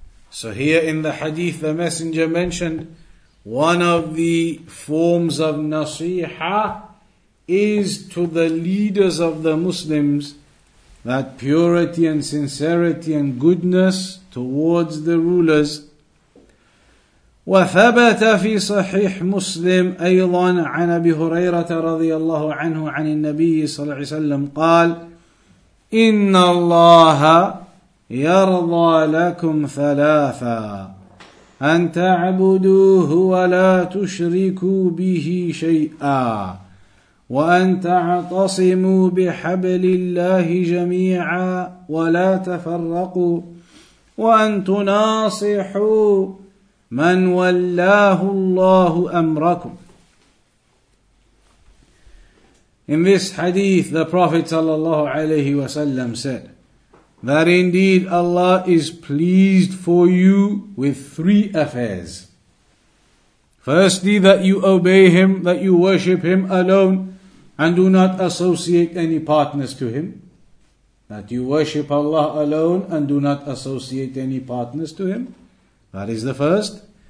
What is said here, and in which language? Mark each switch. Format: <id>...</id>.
<en>So here in the hadith, the messenger mentioned one of the forms of nasiha is to the leaders of the Muslims, that purity and sincerity and goodness towards the rulers.</en> <ar>وثبت في صحيح مسلم أيضا عن أبي هريرة رضي الله عنه عن النبي صلى الله عليه وسلم قال إن الله يرضى لكم ثلاثا أن تعبدوه ولا تشركوا به شيئا وأن تعتصموا بحبل الله جميعا ولا تفرقوا وأن تناصحوا من ولاه الله أمركم</ar> <en>In this hadith, the Prophet sallallahu alayhi wa sallam said that indeed Allah is pleased for you with three affairs. Firstly, that you obey Him, that you worship Him alone and do not associate any partners to Him. That you worship Allah alone and do not associate any partners to Him. That is the first.</en>